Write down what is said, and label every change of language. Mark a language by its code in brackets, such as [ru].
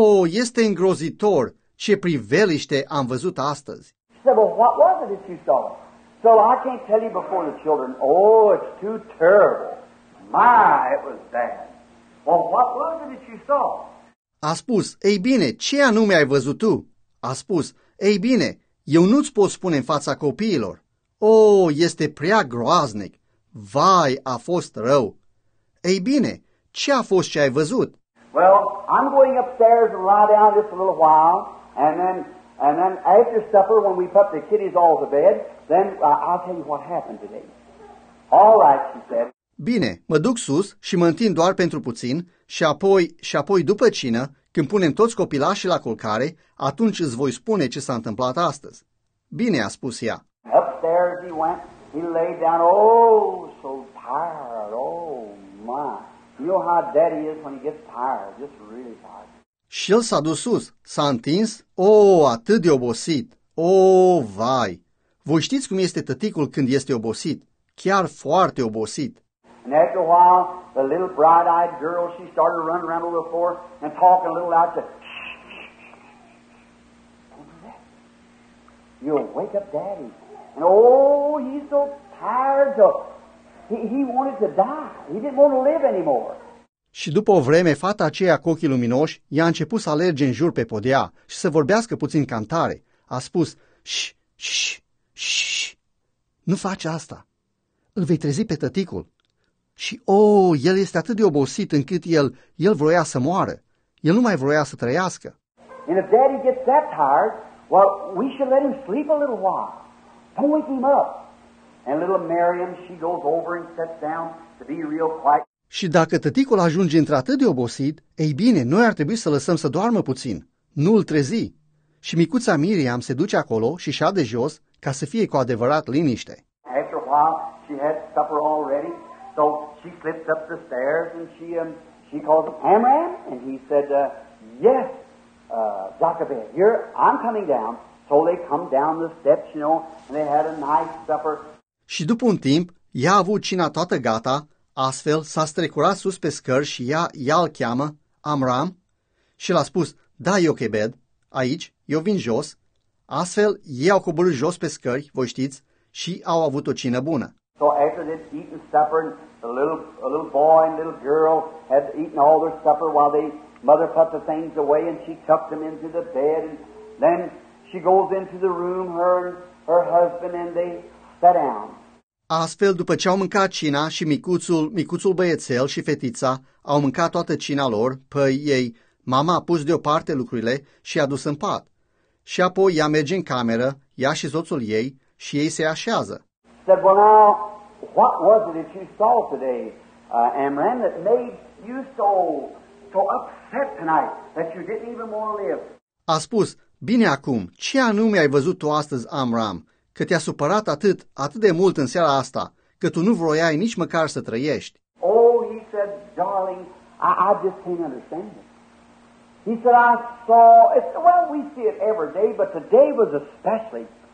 [ro] Este îngrozitor ce priveliște am văzut astăzi. [en] So, well, what was it that you saw? So I can't tell you before the children, it's too terrible. My, it was bad. Well, what was it that you saw? [ro] A spus, ei bine, ce anume ai văzut tu? A spus, ei bine, eu nu-ți pot spune în fața copiilor. Este prea groaznic. Vai, a fost rău. Ei bine, ce a fost ce ai văzut? [en] Well, I'm going upstairs and lie down just a little while, and then after supper when we put the kiddies all to bed, then I'll tell you what happened today. All right, she said. [ro] Bine, mă duc sus și mă întind doar pentru puțin și apoi după cină, când punem toți copilașii la culcare, atunci îți voi spune ce s-a întâmplat astăzi. Bine, a spus ea. [en] Upstairs he went, he lay down, so tired, my. You know how daddy is when he gets tired, just really tired. [ro] Și el s-a dus sus, s-a întins, atât de obosit, vai. Voi știți cum este tăticul când este obosit, chiar foarte obosit. [en] And after a while, the little bright-eyed girl, she started running around over the floor and talking a little loud, said, shh, shh, shh. Don't do that. You'll wake up daddy. And he's so tired. He wanted to die. He didn't want to live anymore. [ro] Și după o vreme, fata aceea cu ochii luminoși i-a început să alerge în jur pe podea și să vorbească puțin cantare. A spus, shh, shh, shh, nu faci asta. Îl vei trezi pe tăticul. Și, el este atât de obosit încât el vroia să moară. El nu mai vroia să trăiască. [en] And if daddy gets that tired, well, we should let him sleep a little while. Don't wake him up. And little Miriam, she goes over and sits down to be real quiet. [ro] Și dacă tăticul ajunge într-atât de obosit, ei bine, noi ar trebui să lăsăm să doarmă puțin. Nu îl trezi. Și micuța Miriam se duce acolo și șade jos ca să fie cu adevărat liniște. [en] After a while, she had supper already. So she slips up the stairs and she calls Amram and he said, yes, Jacobet, here, I'm coming down. So they come down the steps, you know, and they had a nice supper. [ro] Și după un timp, ea a avut cina toată gata, astfel s-a strecurat sus pe scări și ea îl cheamă Amram și l-a spus, da, Jochebed, aici, eu vin jos. Astfel, ei au coborât jos pe scări, voi știți, și au avut o cină bună. [en] So after they'd eaten supper, a little boy and little girl had eaten all their supper while the mother put the things away and she tucked them into the bed. And then she goes into the room, her and her husband, and they sat down. [ro] Astfel, după ce au mâncat cina și micuțul băiețel și fetița au mâncat toată cina lor, păi ei, mama a pus deoparte lucrurile și i-a dus în pat. Și apoi ea merge în cameră, ea și soțul ei, și ei se așează. [en] Said, well now, what was it that you saw today, Amram, that made you so upset tonight that you didn't even want to live? [ro] A spus, bine acum, ce anume ai văzut tu astăzi, Amram, că te-a supărat atât de mult în seara asta, că tu nu vroiai nici măcar să trăiești? [en] He said, darling, I just can't understand it. He said, I saw, we see it every day, but today was especially.